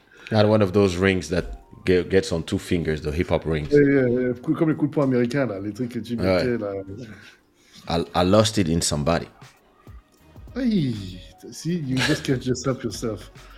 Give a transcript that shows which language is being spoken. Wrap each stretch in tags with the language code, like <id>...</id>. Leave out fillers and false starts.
<en>I had one of those rings that gets on two fingers, the hip-hop rings. Yeah.</en> <fr>Comme les coups de poing américains, là, les trucs que tu mettais, right. Là...</fr> <en>I lost it in somebody. Hey, see, you just can't just help yourself.</en>